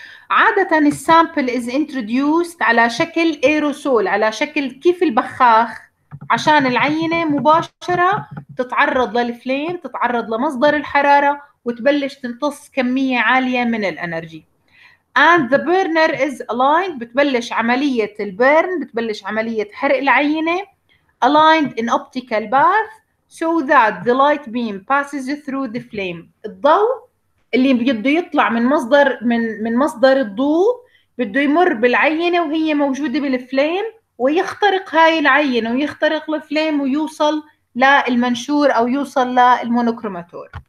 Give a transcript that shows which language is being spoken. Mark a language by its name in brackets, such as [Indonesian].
[Arabic] عاده [English] السامبل is introduced [Arabic] على شكل ايروسول، على شكل كيف البخاخ، عشان العينه مباشره تتعرض للفليم، تتعرض لمصدر الحراره وتبلش تمتص كمية عالية من الانرجي. [English] And the burner is aligned، [Arabic] بتبلش عملية البرن، بتبلش عملية حرق العينة. [English] Aligned in optical path so that the light beam passes through the flame. [Arabic] الضوء اللي بده يطلع من مصدر من مصدر الضوء بده يمر بالعينة وهي موجودة بالفليم، ويخترق هاي العينة ويخترق الفليم ويوصل للمنشور او يوصل للمونوكروماتور.